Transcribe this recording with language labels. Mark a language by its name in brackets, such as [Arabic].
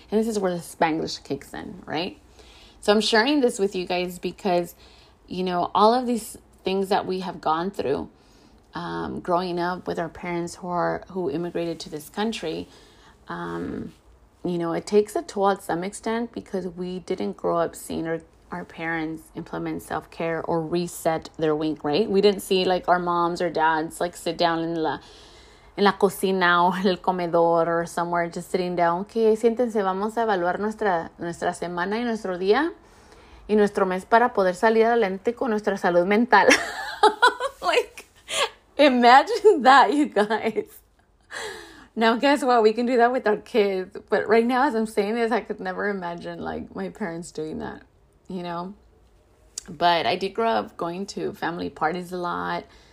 [English] And this is where the Spanglish kicks in, right? So I'm sharing this with you guys because, you know, all of these things that we have gone through growing up with our parents who immigrated to this country, you know, it takes a toll at some extent because we didn't grow up seeing our parents implement self-care or reset their week, right? We didn't see like our moms or dads like sit down in [Spanish] la cocina o el comedor [English] or somewhere just sitting down. [Spanish] Okay, siéntense, vamos a evaluar nuestra semana y nuestro día y nuestro mes para poder salir adelante con nuestra salud mental. [English] Like, imagine that, you guys. Now, guess what? We can do that with our kids. But right now, as I'm saying this, I could never imagine like my parents doing that. You know, but I did grow up going to family parties a lot.